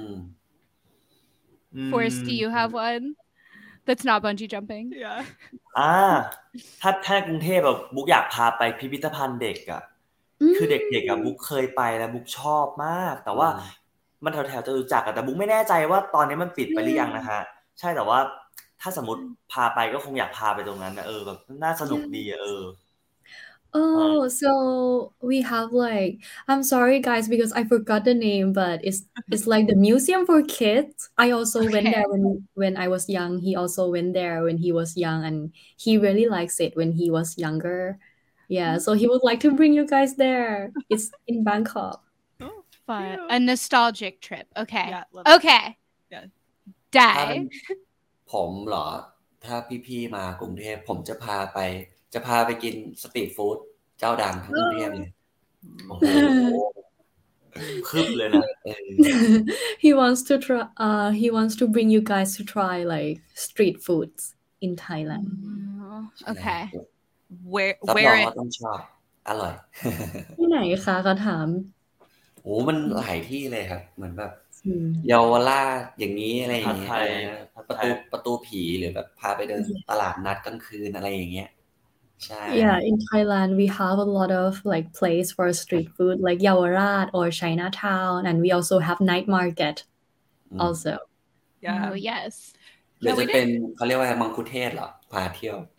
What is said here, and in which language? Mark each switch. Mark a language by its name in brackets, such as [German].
[English] ม Forest, do you have one that's not bungee jumping? Yeah. [Thai] ถ้ากรุงเทพแบบบุ๊กอยากพาไปพิพิธภัณฑ์เด็กอ่ะคือเด็กๆอ่ะบุ๊กเคยไปแล้วบุ๊กชอบมากแต่ว่ามันแถวๆจตุจักรแต่บุ๊กไม่แน่ใจว่าตอนนี้มันปิดไปหรือยังนะฮะใช่แต่ว่าถ้าสมมติพาไปก็คงอยากพาไปตรงนั้นนะเออแบบน่าสนุกดีอ่ะเออ [English] Oh so we have like I'm sorry guys because I forgot the name but it's like the museum for kids I also okay. went there when I was young he also went there when he was young and he really likes it when he was younger yeah so he would like to bring you guys there it's in Bangkok A nostalgic trip. Okay. Yeah, okay. Day. [Thai] ผมเหรอถ้าพี่ๆมากรุงเทพผมจะพาไปกินสตรีทฟู้ดเจ้าดังทั้งกรุงเทพเลยโอ้โหคึบเลยนะ [English] He wants to try. He wants to bring you guys to try like street foods in Thailand. Okay. Where [Thai] ต้องชอบอร่อย ที่ไหนคะเขาถาม โอ้มันหลายที่เลยครับเหมือนแบบเยาวราชอย่างนี้อะไรอย่างเงี้ ยประตูผีหรือแบบพาไปเดินตลาดนัดกลางคืนอะไรอย่างเงี้ยใช่ [English] Yeah in Thailand we have a lot of like place for street food like Yawarat or Chinatown and we also have night market also Yeah oh, yes [Thai] หรือจะเป็นเขาเรียกว่ามังคุเทศเหรอพาเที่ยว